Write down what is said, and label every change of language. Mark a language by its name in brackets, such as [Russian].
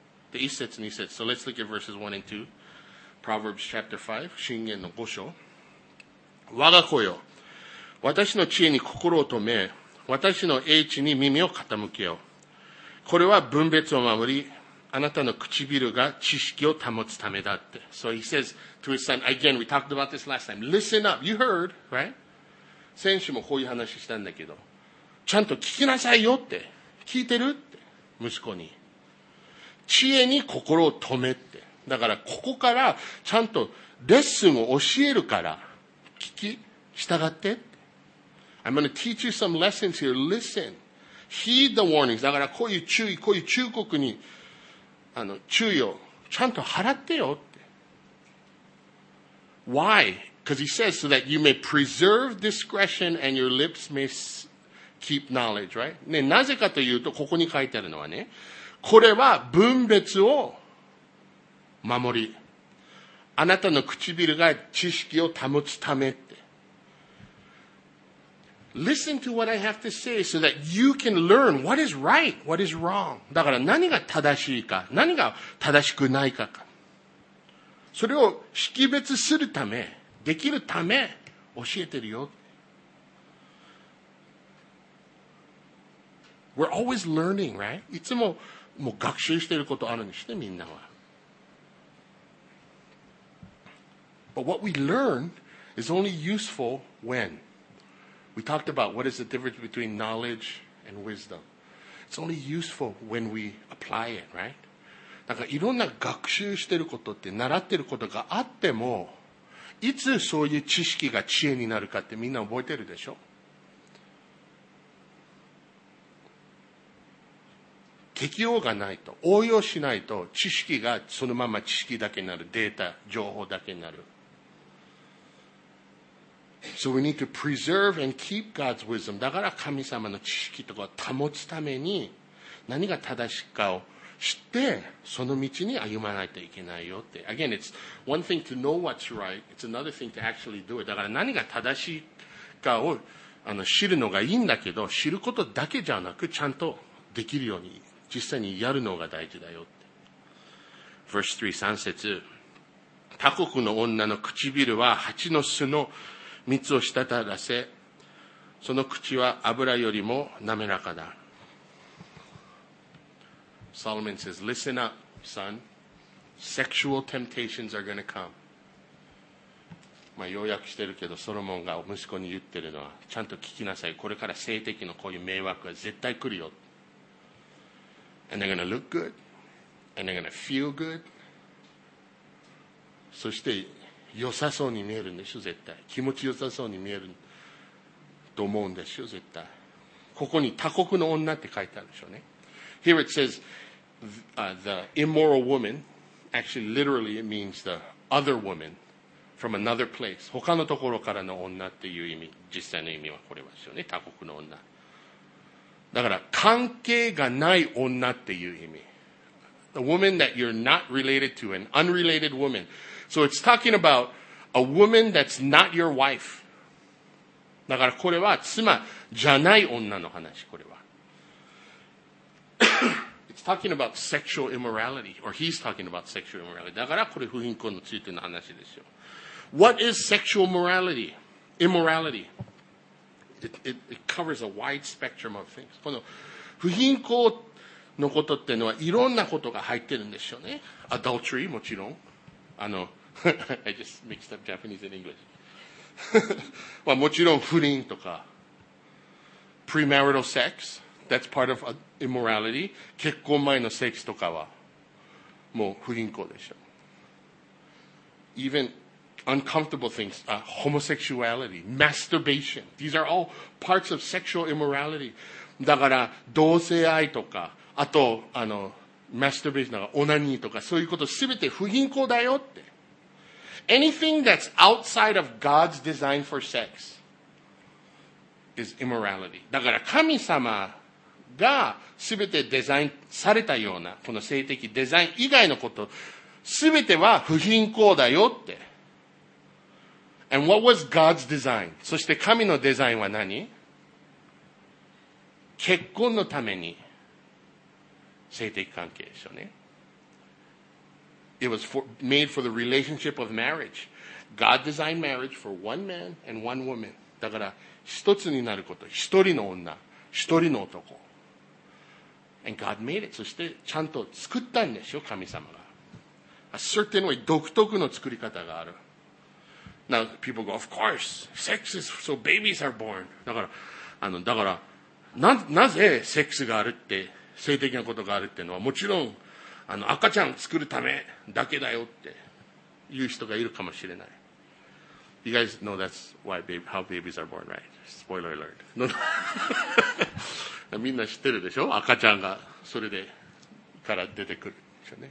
[Japanese] で、一節二節。 [English] So let's look at verses 1 and 2. Proverbs chapter 5, [Japanese] 箴言の5章。我が子よ、私の知恵に心を止め、私の英知に耳を傾けよ。これは分別を守り、あなたの唇が知識を保つためだって。 [English] So he says to his son, again, we talked about this last time. Listen up, you heard, right? [Japanese] 先週もこういう話したんだけど、ちゃんと聞きなさいよって。聞いてるって。息子に。知恵に心を止めって。だからここからちゃんとレッスンを教えるから聞き従って。 [English] I'm going to teach you some lessons here. Listen, heed the warnings. [Japanese] だからこういう注意、こういう忠告にあの注意をちゃんと払ってよって。 [English] Why? Because he says so that you may preserve discretion and your lips may keep knowledge, right? [Japanese] ね、なぜかというとここに書いてあるのはね、これは分別を守り。あなたの唇が知識を保つためって。 [English] Listen to what I have to say so that you can learn what is right, what is wrong. [Japanese] だから何が正しいか、何が正しくないかか。それを識別するため、できるため、教えてるよ。 [English] We're always learning, right? [Japanese] いつももう学習してることあるにして、みんなは。 [English] But what we learn is only useful when. We talked about what is the difference between knowledge and wisdom. It's only useful when we apply it, right? [Japanese] だからいろんな学習してることって習ってることがあっても、いつそういう知識が知恵になるかってみんな覚えてるでしょ？適用がないと、応用しないと知識がそのまま知識だけになる、データ、情報だけになる。 [English] So we need to preserve and keep God's wisdom. [Japanese] だから神様の知識とかを保つために何が正しいかを知ってその道に歩まないといけないよって。 [English] Again, it's one thing to know what's right. It's another thing to actually do it. [Japanese] だから何が正しいかをあの知るのがいいんだけど、知ることだけじゃなくちゃんとできるように実際にやるのが大事だよって。 [English] Verse 3, 3節。 [Japanese] 他国の女の唇は蜂の巣の蜜を滴らせ、その口は油よりも滑らかだ。 [English] Solomon says, listen up, son. Sexual temptations are going to come. [Japanese] まあ、要約してるけど、ソロモンが息子に言ってるのは、ちゃんと聞きなさい。これから性的のこういう迷惑は絶対来るよ。 [English] And they're going to look good. And they're going to feel good. [Japanese] そして、良さそうに見えるんでしょ、絶対。気持ち良さそうに見える。と思うんですよ、絶対。ここに他国の女って書いてあるでしょうね。 [English] Here it says, the immoral woman, actually literally it means the other woman from another place. [Japanese] 他のところからの女っていう意味、実際の意味はこれですよね、他国の女。だから、関係がない女っていう意味。 [English] A woman that you're not related to, an unrelated woman. So it's talking about a woman that's not your wife. [Japanese] だからこれは妻じゃない女の話、これは。 [English] It's talking about sexual immorality, or he's talking about sexual immorality. [Japanese] だからこれ不貧困についての話ですよ。 [English] What is sexual morality? Immorality. It covers a wide spectrum of things. [Japanese] この不貧困のことっていうのはいろんなことが入ってるんですよね。 [English] Adultery, もちろん。 I just mixed up Japanese and English. [Japanese] まあもちろん不倫とか。 [English] Premarital sex, that's part of immorality. [Japanese] 結婚前のセックスとかはもう不倫行でしょ。 [English] Even uncomfortable things, homosexuality, masturbation. These are all parts of sexual immorality. [Japanese] だから同性愛とか、あとmasturbation, オナニーとか、そういうこと全て不倫行だよって。 [English] Anything that's outside of God's design for sex is immorality. [Japanese] だから神様が全てデザインされたようなこの性的デザイン以外のこと全ては不貧困だよって。 [English] And what was God's design? [Japanese] そして神のデザインは何？結婚のために性的関係でしょうね。 [English] It was made for the relationship of marriage. God designed marriage for one man and one woman. [Japanese] だから一つになること、一人の女、一人の男。 [English] And God made it. [Japanese] そしてちゃんと作ったんですよ、神様が。 [English] A certain way, [Japanese] 独特の作り方がある。 [English] Now people go, of course, sex is so babies are born. [Japanese] だから なぜセックスがあるって、性的なことがあるっていうのはもちろん赤ちゃん作るためだけだよって言う人がいるかもしれない。 [English] You guys know that's why how babies are born, right? Spoiler alert. [Japanese] みんな知ってるでしょ？赤ちゃんがそれでから出てくるでしょうね。